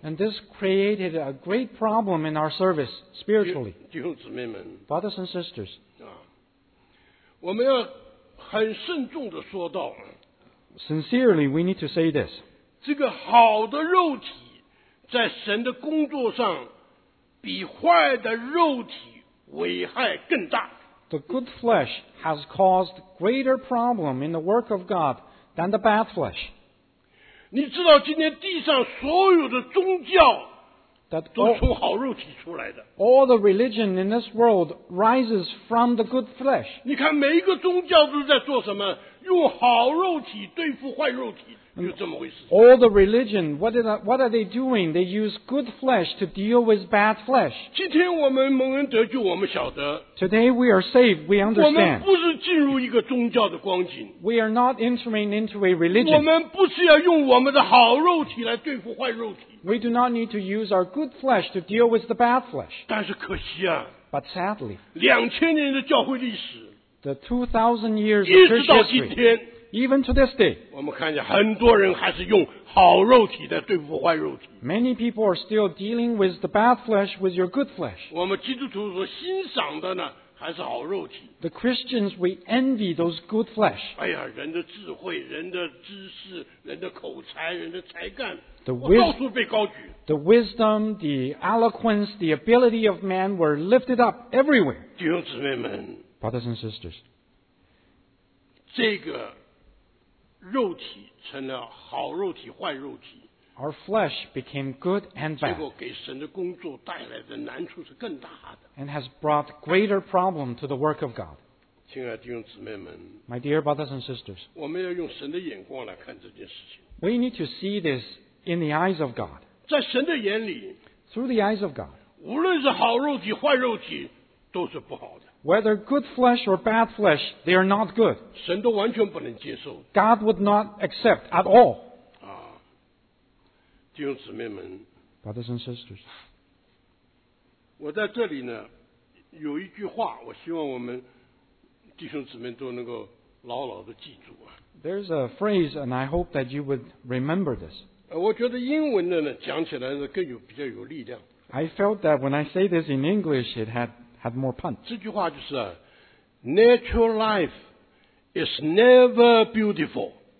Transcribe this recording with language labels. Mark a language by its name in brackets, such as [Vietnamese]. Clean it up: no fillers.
[English] and this created a great problem in our service spiritually. [Chinese] 弟兄姊妹们, [English] brothers and sisters, [Chinese] 啊, 我们要很慎重地说到, [English] sincerely, we need to say this. [Chinese] 这个好的肉体在神的工作上比坏的肉体危害更大。 [English] The good flesh has caused greater problem in the work of God than the bad flesh. [Chinese] 你知道今天地上所有的宗教都从好肉体出来的。 [English] All the religion in this world rises from the good flesh. [Chinese] 你看每一个宗教都在做什么? 用好肉体对付坏肉体, 就这么回事。 [English] All the religion, what are they doing? They use good flesh to deal with bad flesh. [Chinese] 今天我们蒙恩得救, 我们晓得, [English] today we are saved, we understand. [Chinese] 我们不是进入一个宗教的光景, [English] we are not entering into a religion. [Chinese] 我们不是要用我们的好肉体来对付坏肉体。 [English] We do not need to use our good flesh to deal with the bad flesh. [Chinese] 但是可惜啊, [English] but sadly, [Chinese] 2000年的教会历史, [English] the 2000 years of Christian history, [Chinese] 一直到今天, [English] even to this day, [Chinese] 我们看见很多人还是用好肉体在对付坏肉体。 [English] Many people are still dealing with the bad flesh with your good flesh. [Chinese] 我们基督徒所欣赏的呢, 还是好肉体。 [English] The Christians, we envy those good flesh. [Chinese] 哎呀, 人的智慧, 人的知识, 人的口才, 人的才干, [English] the wisdom, the eloquence, the ability of man were lifted up everywhere. [Chinese] 弟兄姊妹们, [English] brothers and sisters, [Chinese] 这个肉体成了好肉体, 坏肉体, [English] our flesh became good and bad, and has brought greater problem to the work of God. [Chinese] 亲爱的弟兄姊妹们, [English] my dear brothers and sisters, [Chinese] 我们要用神的眼光来看这件事情。 [English] We need to see this in the eyes of God. [Chinese] 在神的眼里, [English] through the eyes of God, [Chinese] 无论是好肉体, 坏肉体, 都是不好的。 [English] Whether good flesh or bad flesh, they are not good. [Chinese] 神都完全不能接受。 [English] God would not accept at all. [Chinese] 啊, 弟兄姊妹们, [English] brothers and sisters, [Chinese] 我在这里呢, 有一句话, 我希望我们弟兄姊妹都能够牢牢地记住啊。 [English] There's a phrase, and I hope that you would remember this. [Chinese] 我觉得英文的呢讲起来呢更有比较有力量。 [English] I felt that when I say this in English, it had more punch. [Chinese] 这句话就是, [English] natural life is never beautiful.